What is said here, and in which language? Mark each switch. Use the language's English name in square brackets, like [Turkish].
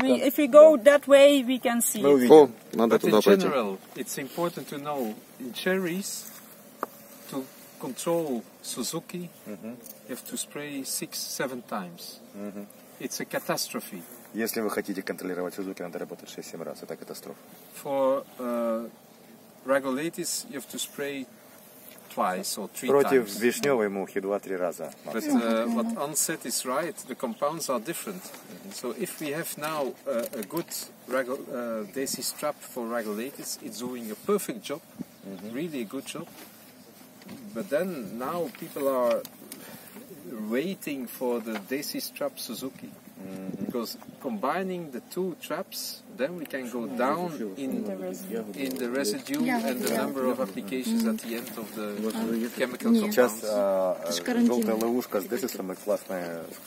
[English] If we go that way, we can see. [Russian] О, надо туда пойти. [English] But in general, it's important to know, in cherries, to control Suzuki, mm-hmm. you have to spray 6-7 times. Mm-hmm. It's a catastrophe. [Russian] Если вы хотите контролировать Suzuki, надо работать 6-7 раз. Это катастрофа. [English] For Regulators, you have to spray twice or three [Russian] Против [English] times. [Russian] Против вишневой мухи 2-3 раза. [English] But what Ann said is right. The compounds are different. Mm-hmm. So if we have now a good Desi strap for Regulators, it's doing a perfect job, mm-hmm. really a good job. But then now people are waiting for the Desi strap Suzuki, mm-hmm. because combining the two traps, then we can go down in the residue and the number of applications at the end of the chemical compounds. [Russian] Сейчас желтая ловушка с Desi самая классная